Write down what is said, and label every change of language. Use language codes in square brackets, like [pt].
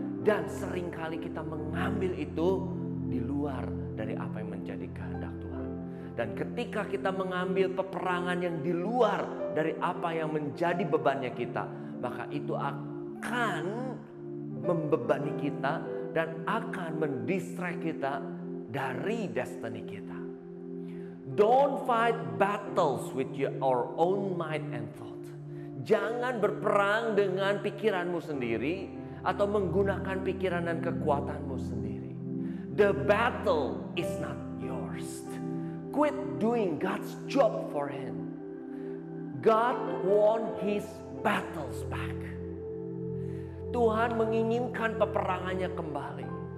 [id] Dan seringkali kita mengambil itu di luar dari apa yang menjadi kehendak Tuhan. Dan ketika kita mengambil peperangan yang di luar dari apa yang menjadi bebannya kita, maka itu akan membebani kita dan akan mendistract kita dari destiny kita. [en] Don't fight battles with your own mind and thought. [id] Jangan berperang dengan pikiranmu sendiri atau menggunakan pikiran dan kekuatanmu sendiri. [en] The battle is not yours. Quit doing God's job for him. God won his battles back. [id] Tuhan menginginkan peperangannya kembali.